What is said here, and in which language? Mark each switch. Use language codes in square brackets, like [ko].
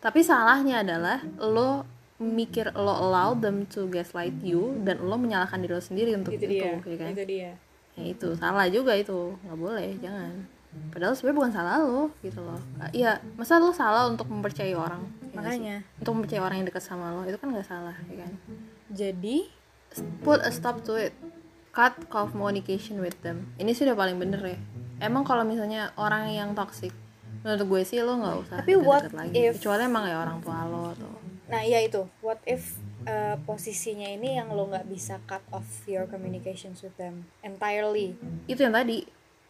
[id] Tapi salahnya adalah lo mikir lo [en] allow them to gaslight you [id] dan lo menyalahkan diri lo sendiri untuk itu, dia, ya kan? Itu dia. Ya itu salah juga itu, nggak boleh, jangan. Padahal sebenarnya bukan salah lo gitu loh. Iya, masa lo salah untuk mempercayai orang? Makanya. Untuk mempercayai orang yang dekat sama lo itu kan nggak salah, ya kan? Jadi [en] put a stop to it, cut communication with them. [id] Ini sih udah paling bener ya. Emang kalau misalnya orang yang toxic, menurut gue sih lo nggak usah deket lagi. [en] If, [id] kecuali emang ya orang tua lo atau. Nah iya itu. [en] What if [id] posisinya ini yang lo nggak bisa [en] cut off your communications with them entirely? [id] Itu yang tadi.